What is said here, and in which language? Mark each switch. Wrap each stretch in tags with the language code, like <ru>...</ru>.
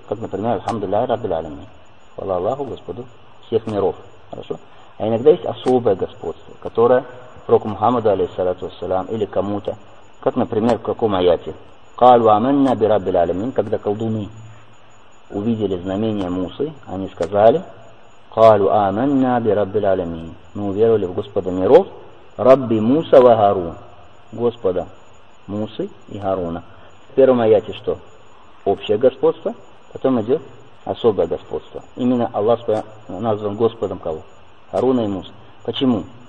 <ru>Как, например,</ru> <ar>«Альхамдулилляхи Раббиль Аалямин».</ar> <ru>Хвала Аллаху, Господу всех миров. Хорошо? А иногда есть особое господство, которое пророку Мухаммаду, алейхиссалату вассалям, или кому-то. Как, например, в каком аяте?</ru> <ar>«Каль ва аманна би Раббиль Аалямин»,</ar> <ru>когда колдуны увидели знамение Мусы, они сказали</ru> <ar>قالوا آمنا برب العالمين.</ar> <ru>Мы уверовали в Господа миров,</ru> <ar>Рабби Муса ва Харун.</ar> <ru>Господа Мусы и Харуна. В первом аяте что? Общее господство, потом идет особое господство. Именно Аллах назван Господом кого? Харуна и Муса. Почему?</ru>